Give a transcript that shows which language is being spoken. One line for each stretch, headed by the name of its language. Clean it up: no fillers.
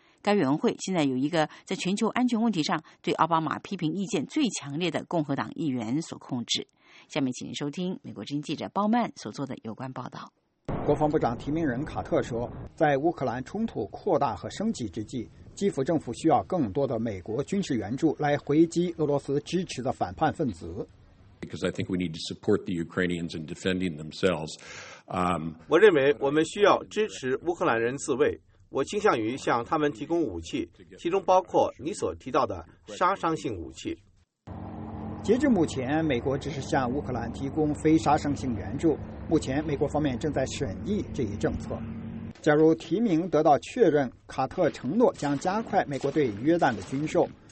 Chinese: 该委员会现在有一个在全球安全问题上对奥巴马批评意见最强烈的共和党议员所控制。下面请您收听美国之音记者鲍曼所做的有关报道。国防部长提名人卡特说，在乌克兰冲突扩大和升级之际，基辅政府需要更多的美国军事援助来回击俄罗斯支持的反叛分子。
English: Because I think we need to support the Ukrainians in defending themselves.
Chinese: 我认为我们需要支持乌克兰人自卫。我倾向于向他们提供武器，其中包括你所提到的杀伤性武器。截至目前，美国只是向乌克兰提供非杀伤性援助。目前，美国方面正在审议这一政策。假如提名得到确认，卡特承诺将加快美国对约旦的军售。